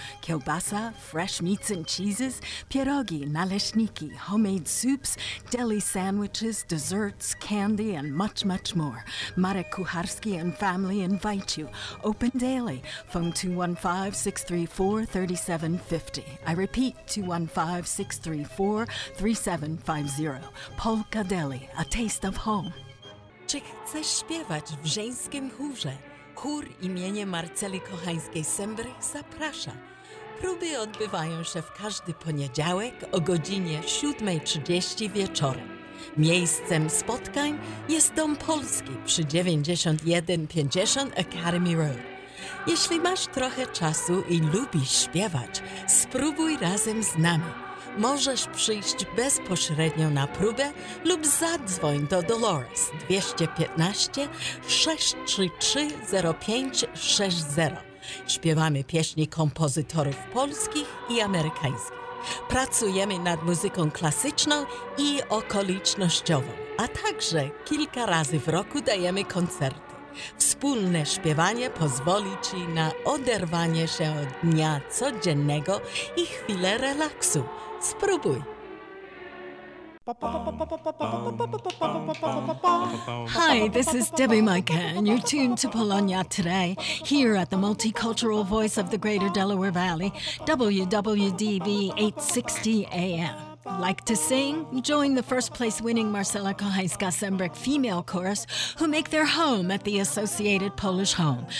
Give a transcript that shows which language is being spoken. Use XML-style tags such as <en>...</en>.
<en>Kielbasa, fresh meats and cheeses, pierogi, naleśniki, homemade soups, deli sandwiches, desserts, candy, and much, much more. Marek Kucharski and family invite you. Open daily. Phone 215-634-3750. I repeat, 215-634-3750. Polka Deli, a taste of home.</en> <pl>Czy chcesz śpiewać w żeńskim chórze? Chór imieniem Marceli Kochańskiej-Sembrych zaprasza. Próby odbywają się w każdy poniedziałek o godzinie 7.30 wieczorem. Miejscem spotkań jest Dom Polski przy 9150 Academy Road. Jeśli masz trochę czasu i lubisz śpiewać, spróbuj razem z nami. Możesz przyjść bezpośrednio na próbę lub zadzwoń do Dolores 215-633-0560. Śpiewamy pieśni kompozytorów polskich i amerykańskich. Pracujemy nad muzyką klasyczną i okolicznościową, a także kilka razy w roku dajemy koncerty. Wspólne śpiewanie pozwoli Ci na oderwanie się od dnia codziennego i chwilę relaksu. Spróbuj.</pl> <en>Hi, this is Debbie Micah, and you're tuned to Polonia Today, here at the Multicultural Voice of the Greater Delaware Valley, WWDB 860 AM. Like to sing? Join the first place winning Marcela Kochańska-Sembrick female chorus, who make their home at the Associated Polish Home.</en>